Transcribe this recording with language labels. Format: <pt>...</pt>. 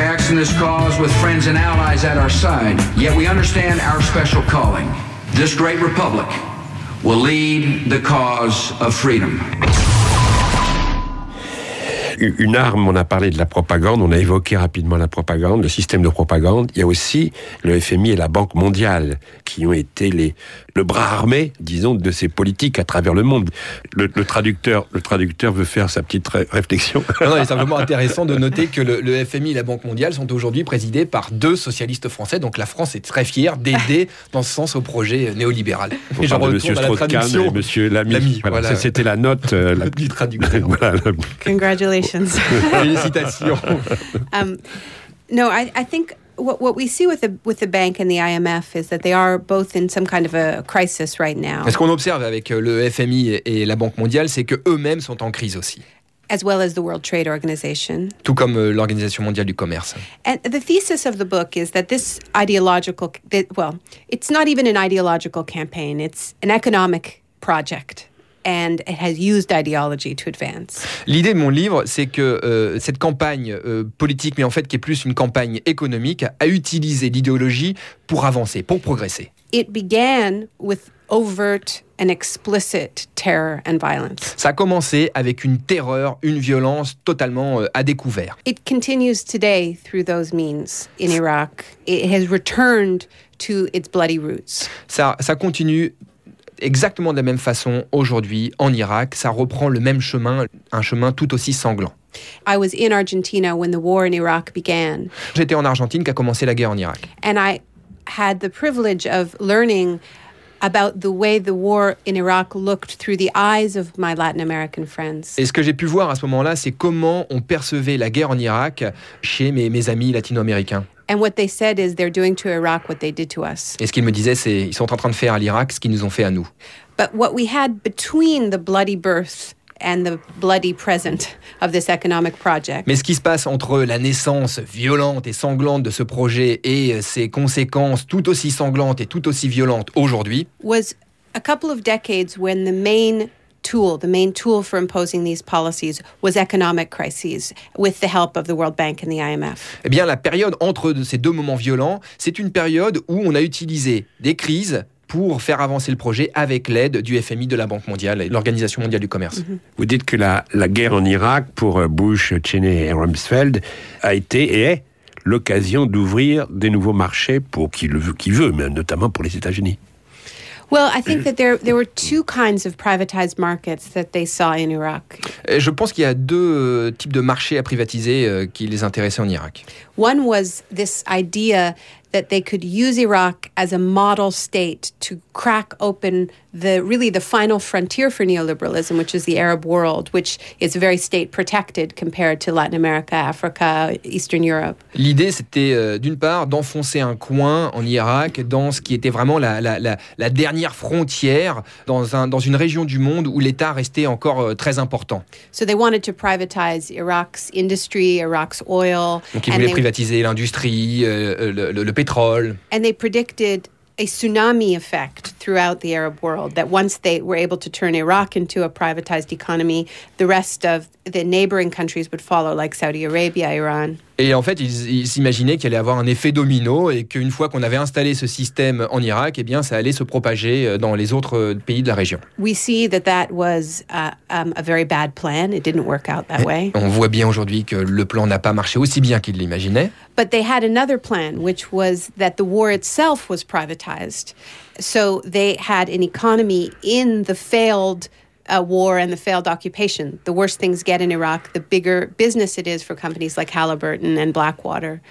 <en>This cause with friends and allies at our side, yet we understand our special calling. This great republic will lead the cause of freedom.</en> <fr>Une arme, on a parlé de la propagande, on a évoqué rapidement la propagande, le système de propagande. Il y a aussi le FMI et la Banque mondiale qui ont été le bras armé, disons, de ces politiques à travers le monde. Le traducteur veut faire sa petite réflexion. Non, il est simplement intéressant de noter que le FMI et la Banque mondiale sont aujourd'hui présidés par deux socialistes français. Donc la France est très fière d'aider dans ce sens au projet néolibéral. Et j'en retourne à la traduction. Et monsieur Lamy. Voilà. Voilà. C'était la note. du traducteur. Voilà,</fr> <en>Congratulations.</en> <fr>Félicitations.</fr> <en>No, I think what we see with the bank and the IMF is that they are both in some kind of a crisis right now.</en> <fr>Ce qu'on observe avec le FMI et la Banque mondiale, c'est que eux-mêmes sont en crise aussi.</fr> <en>As well as the World Trade Organization.</en> <fr>Tout comme l'Organisation mondiale du commerce.</fr> <en>And the thesis of the book is that this ideological, well, it's not even an ideological campaign, it's an economic project. And it has used ideology to advance.</en> <fr>L'idée de mon livre, c'est que cette campagne politique, mais en fait qui est plus une campagne économique, a utilisé l'idéologie pour avancer, pour progresser.</fr> <en>It began with overt and explicit terror and violence.</en> <fr>Ça a commencé avec une terreur, une violence totalement à découvert.</fr> <en>It continues today through those means in Iraq. It has returned to its bloody roots.</en> <fr>Ça continue exactement de la même façon aujourd'hui en Irak, ça reprend le même chemin, un chemin tout aussi sanglant.</fr> <en>I was in Argentina when the war in Iraq began.</en> <fr>J'étais en Argentine quand a commencé la guerre en Irak.</fr> <en>And I had the privilege of learning about the way the war in Iraq looked through the eyes of my Latin American friends.</en> <fr>Et ce que j'ai pu voir à ce moment-là, c'est comment on percevait la guerre en Irak chez mes amis latino-américains.</fr> <en>And what they said is they're doing to Iraq what they did to us.</en> <fr>Et ce qu'ils me disaient, c'est ils sont en train de faire à l'Irak ce qu'ils nous ont fait à nous.</fr> <en>But what we had between the bloody birth and the bloody present of this economic project.</en> <fr>Mais ce qui se passe entre la naissance violente et sanglante de ce projet et ses conséquences tout aussi sanglantes et tout aussi violentes aujourd'hui.</fr> <en>Was a couple of decades when the main tool, the main tool for imposing these policies was economic crises with the help of the World Bank and the IMF.</en> <fr>Eh bien, la période entre ces deux moments violents, c'est une période où on a utilisé des crises pour faire avancer le projet avec l'aide du FMI, de la Banque mondiale et de l'Organisation mondiale du commerce. Mm-hmm. Vous dites que la guerre en Irak pour Bush, Cheney et Rumsfeld a été et est l'occasion d'ouvrir des nouveaux marchés pour qui veut, mais notamment pour les États-Unis.</fr> <en>Well, I think that there were two kinds of privatized markets that they saw in Iraq.</en> <fr>Je pense qu'il y a deux types de marchés à privatiser qui les intéressaient en Irak.</fr> <en>One was this idea that they could use Iraq as a model state to crack open the final frontier for neoliberalism, which is the Arab world, which is very state protected compared to Latin America, Africa, Eastern Europe.</en> <fr>L'idée, c'était d'une part d'enfoncer un coin en Irak dans ce qui était vraiment la dernière frontière dans une région du monde où l'État restait encore très important.</fr> <en>So they wanted to privatize Iraq's industry, Iraq's oil.</en> <fr>Donc ils voulaient privatiser l'industrie, le pétrole.</fr> <en>And they predicted a tsunami effect throughout the Arab world, that once they were able to turn Iraq into a privatized economy, the rest of the neighboring countries would follow, like Saudi Arabia, Iran.</en> <fr>Et en fait, ils s'imaginaient qu'il allait avoir un effet domino et qu'une fois qu'on avait installé ce système en Irak, eh bien, ça allait se propager dans les autres pays de la région.</fr> <en>We see that was a very bad plan. It didn't work out that way.</en> <fr>On voit bien aujourd'hui que le plan n'a pas marché aussi bien qu'ils l'imaginaient.</fr> <en>But they had another plan, which was that the war itself was privatized. So they had an economy in the failed war and the failed occupation. The worse things get in Iraq, the bigger business it is for companies like Halliburton and Blackwater.</en>